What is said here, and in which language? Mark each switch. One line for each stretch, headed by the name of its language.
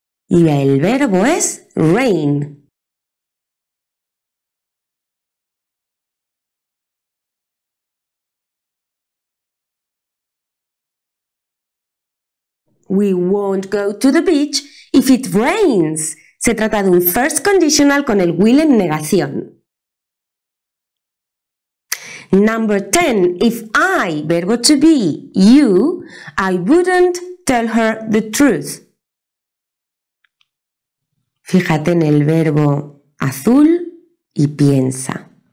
Spanish: Y el verbo es rain.
English: We won't go to the beach if it rains.
Spanish: Se trata de un first conditional con el will en negación.
English: Number 10. If I, verbo to be, you, I wouldn't tell her the truth.
Spanish: Fíjate en el verbo azul y piensa.